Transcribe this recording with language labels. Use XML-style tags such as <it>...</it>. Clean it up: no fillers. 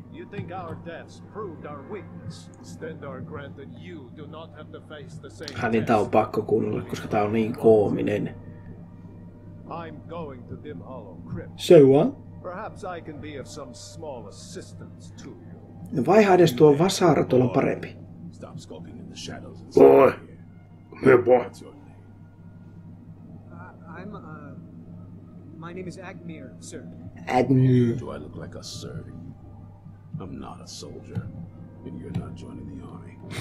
<en>You think our deaths proved our weakness? Stendhal granted you do not have to face the same test.</en> <fi>Niin tää on pakko kuunnella, koska tää on niin koominen.</fi> <en>I'm going to Dim Hollow Crypt. So what? Perhaps I can be of some small assistance to you.</en> <fi>No vaihda edes tuo vasara, tuolla on parempi.</fi> <en>Stop skulking in the shadows. Boy! Me boy! My name is Agmir, sir. Agmir. Do I look like a sir? I'm not a soldier, and you're not joining the army.</en>